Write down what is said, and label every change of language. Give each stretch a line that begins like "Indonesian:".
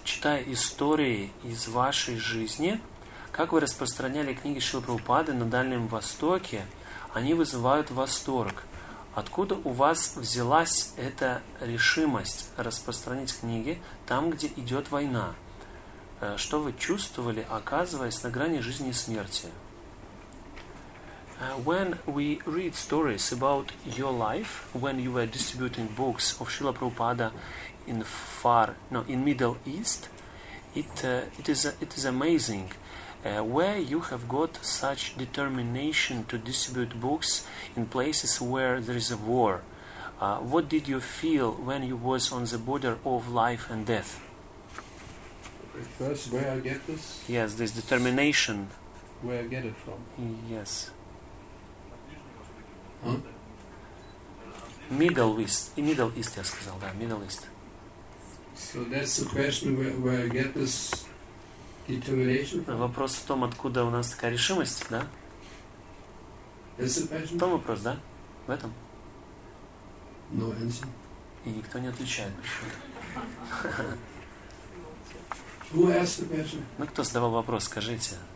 Russian: Читая истории из вашей жизни, как вы распространяли книги Шрилы Прабхупады на Дальнем Востоке, они вызывают восторг. Откуда у вас взялась эта решимость распространить книги там, где идет война? Что вы чувствовали, оказываясь на грани жизни и смерти?
English: When we read stories about your life, when you were distributing books of Srila Prabhupada in Middle East, it is amazing. Where you have got such determination to distribute books in places where there is a war? What did you feel when you was on the border of life and death? First, where I get this? Yes, this determination. Where I get it from? Yes. Huh?
Russian: Middle East, я сказал, да, Middle East.
English: So that's the question where I get this.
Russian: Вопрос в том, откуда у нас такая решимость, да? В том вопрос, да? В этом?
English: No answer.
Russian: И никто не отвечает.
English: Who asked the question?
Russian: Ну, кто задавал вопрос, скажите.